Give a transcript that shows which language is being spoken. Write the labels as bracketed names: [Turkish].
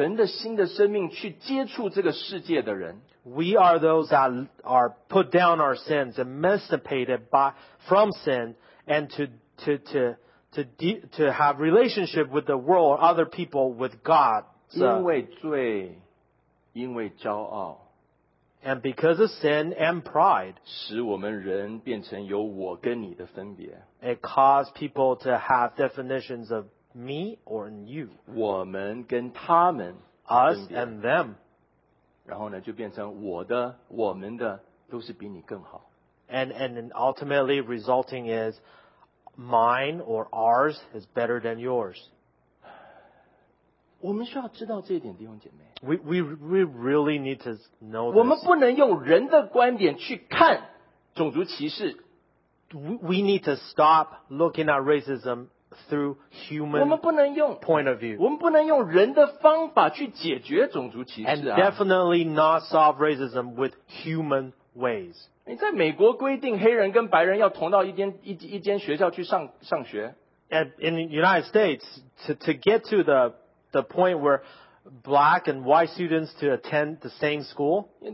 [Chinese] 我们是把我们罪的这个重担放下了,解脱了,然后用神的新的生命去接触这个世界的人。 [English] We are those that are put down our sins, emancipated from sin, and to have relationship with the world or other people with God. [Chinese] 因为罪,因为骄傲。 [English] And because of sin and pride, [Chinese] 使我们人变成有我跟你的分别, [English] it caused people to have definitions of me or you. [Chinese] 我们跟他们, [English] us and them. [Chinese] 然后呢, 就变成我的, 我们的, 都是比你更好。 [English] And ultimately resulting is mine or ours is better than yours. [Chinese] 我们需要知道这一点,弟兄姐妹。 [English] We really need to know this. [Chinese] 我们不能用人的观点去看种族歧视。 [English] We need to stop looking at racism through human [Chinese] 我们不能用, [English] point of view. [Chinese] 我们不能用人的方法去解决种族歧视啊。 [English] And definitely not solve racism with human ways. [Chinese] 你在美国规定黑人跟白人要同到一间学校去上学。 [English] And in the United States, to get to the point where black and white students to attend the same school.